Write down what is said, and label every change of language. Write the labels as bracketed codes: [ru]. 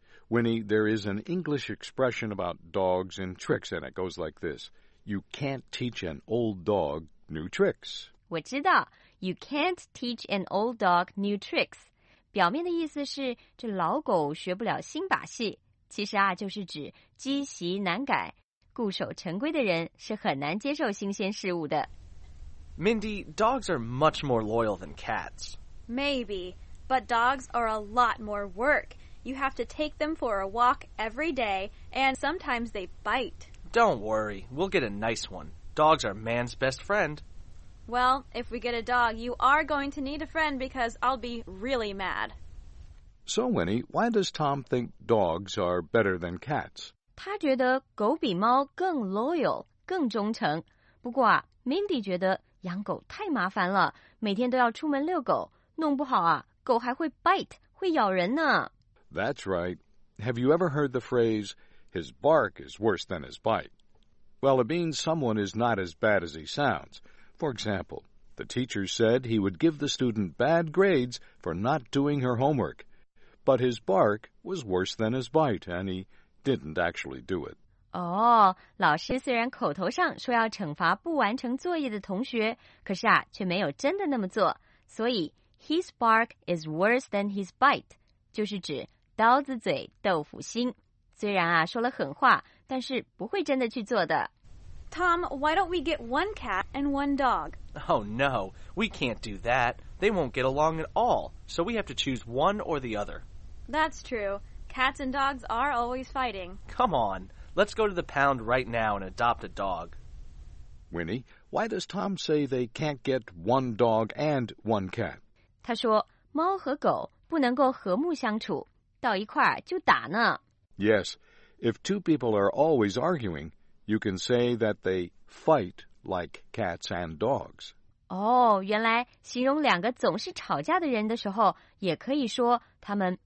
[en] Winnie, there is an English expression about dogs and tricks, and it goes like this. You can't teach an old dog new tricks. [zh] 我知道， [en] you can't teach an old dog new tricks. [zh] 表面的意思是这老狗学不了新把戏，其实啊就是指积习难改，固守成规的人是很难接受新鲜事物的。 [en] Mindy, dogs are much more loyal than cats. Maybe, but dogs are a lot more work. You have to take them for a walk every day, and sometimes they bite. Don't worry, we'll get a nice one. Dogs are man's best friend. Well, if we get a dog, you are going to need a friend because I'll be really mad. So, Winnie, why does Tom think dogs are better than cats? [zh] 他觉得狗比猫更 loyal, 更忠诚。不过啊 ,Mindy 觉得养狗太麻烦了，每天都要出门遛狗，弄不好啊，狗还会 bite, 会咬人呢。 [en] That's right. Have you ever heard the phrase, his bark is worse than his bite? Well, it means someone is not as bad as he sounds. For example, the teacher said he would give the student bad grades for not doing her homework. But his bark was worse than his bite, and he didn't actually do it. [zh] 哦，老师虽然口头上说要惩罚不完成作业的同学，可是啊，却没有真的那么做。所以 [en] his bark is worse than his bite, [zh] 就是指刀子嘴豆腐心。虽然啊，说了狠话，但是不会真的去做的。 [en] Tom, why don't we get one cat and one dog? Oh no, we can't do that. They won't get along at all, so we have to choose one or the other. That's true. Cats and dogs are always fighting. Come on, let's go to the pound right now and adopt a dog. Winnie, why does Tom say they can't get one dog and one cat? [zh] 他说猫和狗不能够和睦相处，到一块儿就打呢。 [en] Yes, if two people are always arguing,You can say that they fight like cats and dogs. [zh] 哦，原来形容两个总是吵架的人的时候，也可以说他们